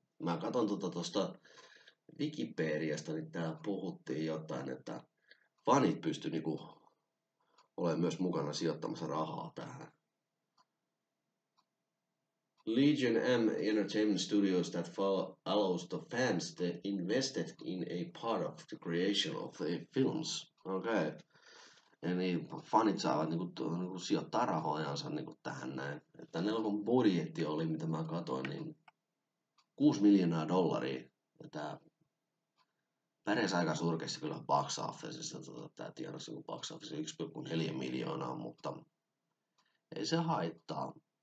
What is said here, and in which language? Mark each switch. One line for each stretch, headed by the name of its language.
Finnish: Mä katson tuosta Wikipediasta, niin täällä puhuttiin jotain, että fanit pysty niinku olemaan myös mukana sijoittamassa rahaa tähän.
English: Legion M Entertainment Studios that allows the fans to invest in a part of the creation of the films. Okei. Okay.
Finnish: Eli fanit saavat niinku sijoittaa rahojansa niinku tähän näin. Että nelkon budjetti oli, mitä mä katsoin, niin $6 miljoonaa, ja tää pärjäs aika surkeasti kyllä box officeissa, tää tiedossa kuin box office 1,4 miljoonaa, mutta ei se haittaa.